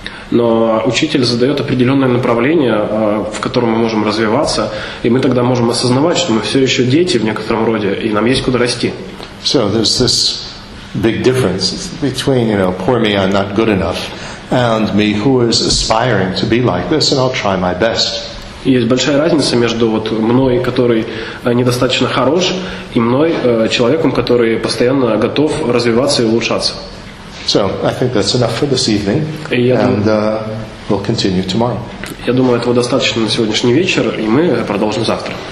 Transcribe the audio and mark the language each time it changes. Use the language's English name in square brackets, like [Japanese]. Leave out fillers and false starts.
[Russian] Но учитель задает определенное направление, в котором мы можем развиваться, и мы тогда можем осознавать, что мы все еще дети в некотором роде, и нам есть куда расти. [English] So there's this big difference between, you know, poor me, I'm not good enough, and me, who is aspiring to be like this, and I'll try my best. [Russian] Есть большая разница между вот мной, который недостаточно хорош, и мной, человеком, который постоянно готов развиваться и улучшаться. [English] So, I think that's enough for this evening, and we'll continue tomorrow. [Russian] Я думаю, этого достаточно на сегодняшний вечер, и мы продолжим завтра.